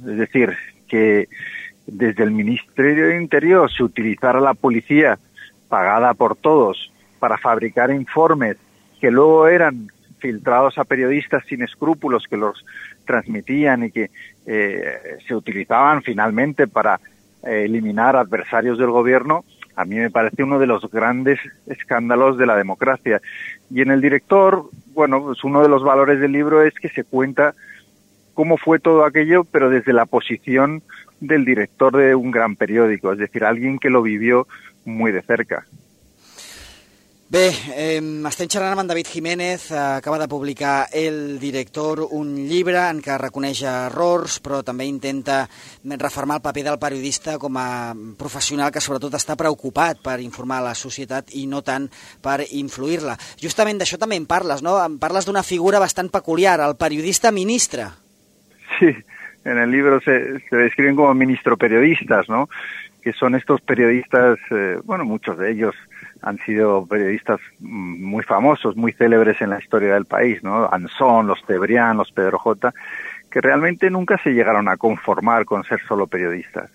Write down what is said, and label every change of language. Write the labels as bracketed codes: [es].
[es] Es decir, que desde el Ministerio del Interior se utilizara la policía pagada por todos para fabricar informes que luego eran filtrados a periodistas sin escrúpulos que los transmitían y que se utilizaban finalmente para eliminar adversarios del gobierno, a mí me parece uno de los grandes escándalos de la democracia. Y en el director, bueno, pues uno de los valores del libro es que se cuenta cómo fue todo aquello, pero desde la posición del director de un gran periódico, es decir, alguien que lo vivió muy de cerca. [ca] Bé, estem xerrant amb en David Jiménez, acaba de publicar El Director un llibre en què reconeix errors, però també intenta refermar el paper del periodista com a professional que sobretot està preocupat per informar la societat i no tant per influir-la. Justament d'això també en parles, no? En parles d'una figura bastant peculiar, el periodista ministre. [es] Sí, en el libro se describen como ministro periodistas, ¿no? Que son estos periodistas, bueno, muchos de ellos han sido periodistas muy famosos, muy célebres en la historia del país, ¿no? Anson, los Cebrián, los Pedro Jota, que realmente nunca se llegaron a conformar con ser solo periodistas.